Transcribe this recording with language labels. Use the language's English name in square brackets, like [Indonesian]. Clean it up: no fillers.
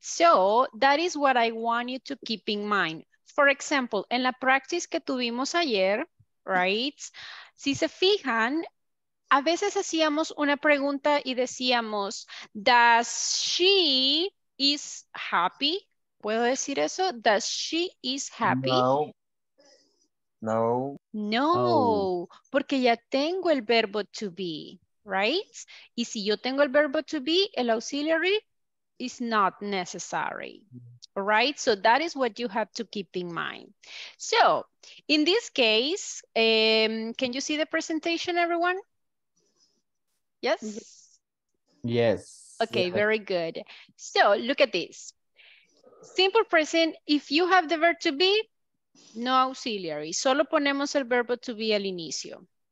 [English] So, that is what I want you to keep in mind. For example, [Spanish] en la practice que tuvimos ayer, right? Si se fijan, a veces hacíamos una pregunta y decíamos, [English] does she... is happy? [Spanish] ¿Puedo decir eso? [English] Does she is happy? No. [Spanish] Porque ya tengo el verbo to be, right? Y si yo tengo el verbo to be, el [English] auxiliary is not necessary. All right? So that is what you have to keep in mind. So in this case, can you see the presentation, everyone? Yes? Yes. Okay, yeah. Very good. So look at this. Simple present, if you have the verb to be, no auxiliary. [Spanish] Solo ponemos el verbo to be al inicio.